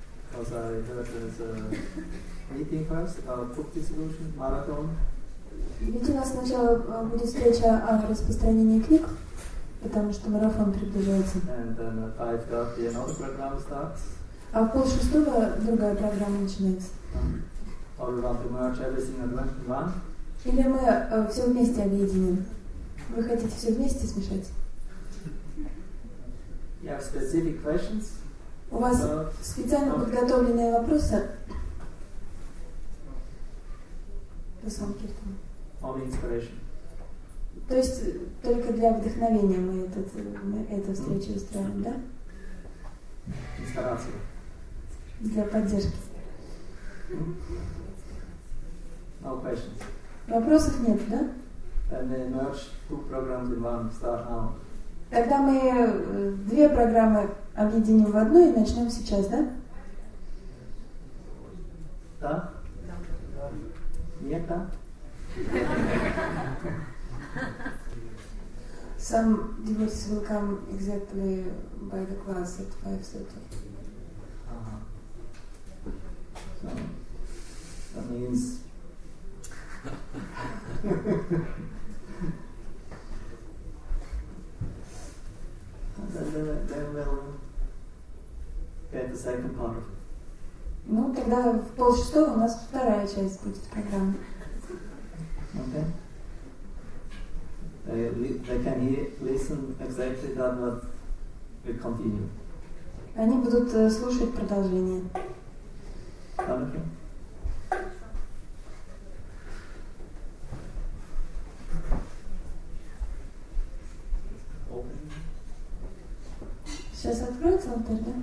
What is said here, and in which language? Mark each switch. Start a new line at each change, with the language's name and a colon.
English: Because I heard there's a meeting first, a book distribution, marathon.
Russian: Ведь у нас сначала будет встреча о распространении книг, потому что марафон приближается.
English: And then at 5:30 another program starts.
Russian: А в 6:30 другая программа начинается.
English: Or about to merge everything at once.
Russian: Или мы все вместе объединим? Вы хотите все вместе смешать?
English: You have specific questions?
Russian: У вас специально подготовленные вопросы?
English: Only inspiration.
Russian: То есть только для вдохновения мы эту встречу устраиваем, да? Инспирация. Для поддержки.
English: No questions.
Russian: Вопросов нет, да?
English: And then merge two programs in one. Start now.
Russian: Тогда мы две программы объединим в одну и начнем сейчас, да? Да? Нет, да?
English: Some devotees will come exactly by the class at 5:30. So that means then we'll get the second part.
Russian: Ну тогда в 6:30 у нас вторая часть будет программы.
English: Okay. They can listen exactly that, but we continue.
Russian: Они будут слушать продолжение.
English: Okay.
Russian: Сейчас откроется алтарь, да?